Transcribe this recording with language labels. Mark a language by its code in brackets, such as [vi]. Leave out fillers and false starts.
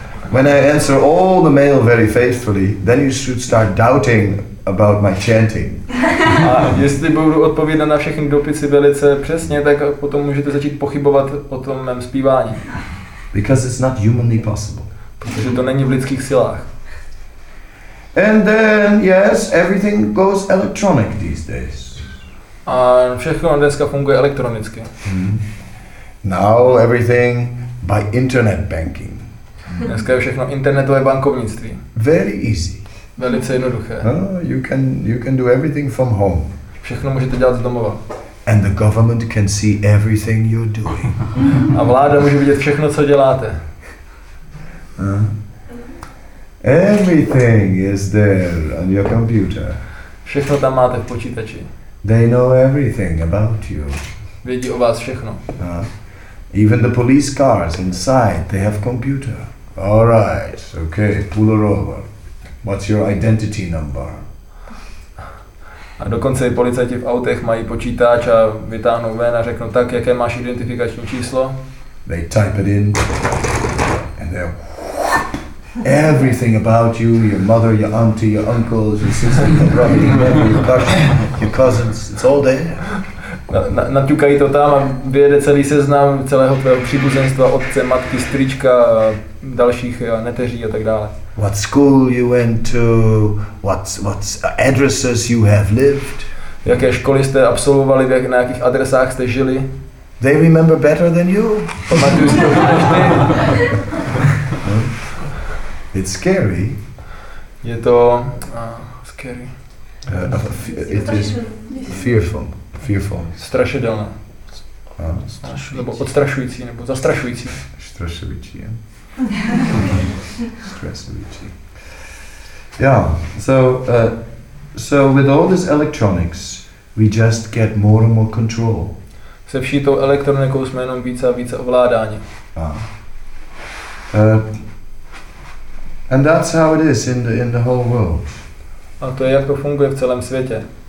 [en] When I answer all the mail very faithfully, then you should start doubting about my chanting. [cs] A jestli budu odpovídat na všechny dopisy velice přesně, tak potom můžete začít pochybovat o tom mém zpívání. [en] Because it's not humanly possible. [cs] Protože to není v lidských silách. [en] And then, yes, everything goes electronic these days. [cs] A všechno dneska funguje elektronicky. [en] Now everything by internet banking. [cs] Dneska je všechno internetové bankovnictví. [en] Very easy. [cs] Velice jednoduché. [en] You can do everything from home. [cs] Všechno můžete dělat z domova. [en] And the government can see everything you're doing. [cs] A vláda může vidět všechno, co děláte. [en] Everything is there on your computer. [cs] Všechno tam máte v počítači. [en] They know everything about you. [cs] Vědí o vás všechno. [en] Even the police cars inside, they have computer. All right, okay, pull her over. What's your identity number? [cs] A dokonce i policajti v autech mají počítač a vytáhnou ven a řeknou, tak, jaké máš identifikační číslo? [en] They type it in and they're everything about you, your mother, your auntie, your uncles, your sister, your brother, your cousins, it's all there. [cs] Naťukají to tam a vyjede celý seznam celého tvého příbuzenstva, otce, matky, strýčka, dalších neteří a tak dále. [en] What school you went to, what's addresses you have lived. [cs] Jaké školy jste absolvovali, na jakých adresách jste žili. [en] They remember better than you. [cs] Pamatuju si to, než ty. [en] bit scary. [cs] Je to scary. [en] It is fearful. [cs] Strašidelné. Nebo odstrašující, nebo zastrašující. Strašující, je? Strašující. [en] Yeah, so with all this electronics, we just get more and more control. [cs] Se vší tou elektronikou jsme jenom více a více ovládáni. [en] And that's how it is in the whole world. [cs] A to je, jak to funguje v celém světě.